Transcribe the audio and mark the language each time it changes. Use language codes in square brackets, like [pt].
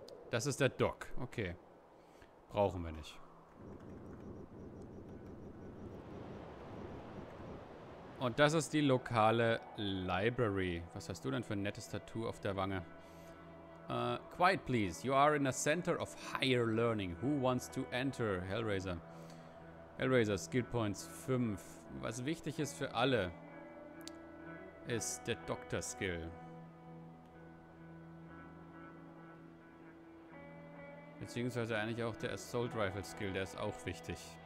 [de] Das ist der Dock. Okay. Brauchen wir nicht. Und das ist die lokale Library. Was hast du denn für ein nettes Tattoo auf der Wange? [en] Quiet, please. You are in a center of higher learning. Who wants to enter? Hellraiser. Hellraiser, Skill Points 5. [de] Was wichtig ist für alle, ist der Doctor Skill. Beziehungsweise eigentlich auch der Assault Rifle Skill, der ist auch wichtig.